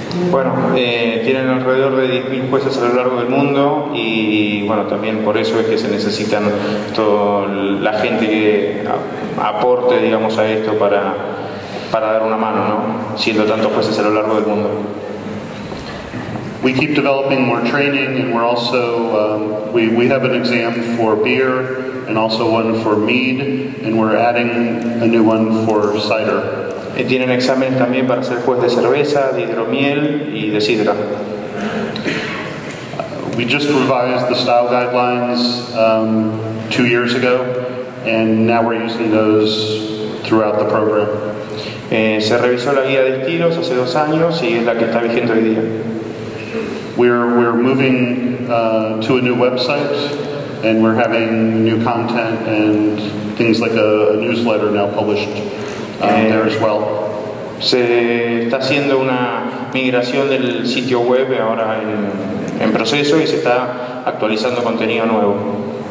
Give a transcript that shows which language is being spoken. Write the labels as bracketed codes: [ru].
[es] Bueno, tienen alrededor de 10,000 jueces a lo largo del mundo, y bueno, también por eso es que se necesitan toda la gente que aporte, digamos, a esto para dar una mano, ¿no? Siendo tantos jueces a lo largo del mundo. [en] We keep developing more training, and we're also we have an exam for beer, and also one for mead, and we're adding a new one for cider. [es] Tienen exámenes también para ser juez de cerveza, de hidromiel y de sidra. [en] We just revised the style guidelines 2 years ago, and now we're using those throughout the program. [es] Se revisó la guía de estilos hace 2 años y es la que está vigente hoy día. [en] We're moving to a new website, and we're having new content and things like a newsletter now published there as well. [es] Se está haciendo una migración del sitio web ahora en proceso y se está actualizando contenido nuevo.